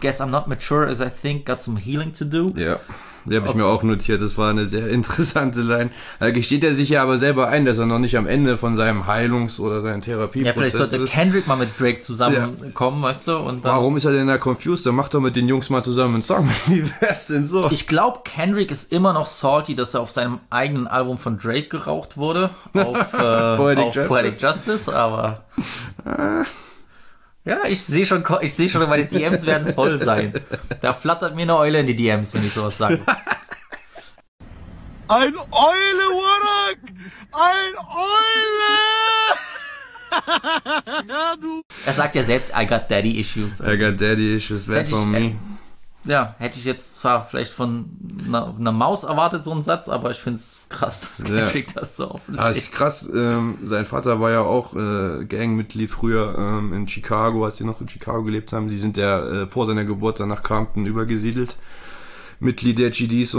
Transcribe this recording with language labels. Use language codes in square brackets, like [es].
[en] Guess I'm not mature as I think, got some healing to do. [de] Ja, die habe ich mir auch notiert. Das war eine sehr interessante Line. Da gesteht er sich ja aber selber ein, dass er noch nicht am Ende von seinem Heilungs- oder seinen Therapieprozess ist. Ja, vielleicht sollte Kendrick mal mit Drake zusammenkommen, weißt du? Und dann, warum ist er denn da confused? Dann mach doch mit den Jungs mal zusammen einen Song. Wie wär's denn so? Ich glaube, Kendrick ist immer noch salty, dass er auf seinem eigenen Album von Drake geraucht wurde. Auf Poetic Justice, aber... Ja, ich sehe schon, meine DMs werden voll sein. Da flattert mir eine Eule in die DMs, wenn ich sowas sage. Ein Eule, Warak! Ein Eule! Ja, du. Er sagt ja selbst, [en] I got daddy issues. Also, I got daddy issues, that's on me. [de] Ja, hätte ich jetzt zwar vielleicht von einer Maus erwartet, so einen Satz, aber ich finde es krass, dass Kendrick das so offen lässt. Das ist krass. Sein Vater war ja auch Gangmitglied früher in Chicago, als sie noch in Chicago gelebt haben. Sie sind ja vor seiner Geburt dann nach Compton übergesiedelt, Mitglied der GDs.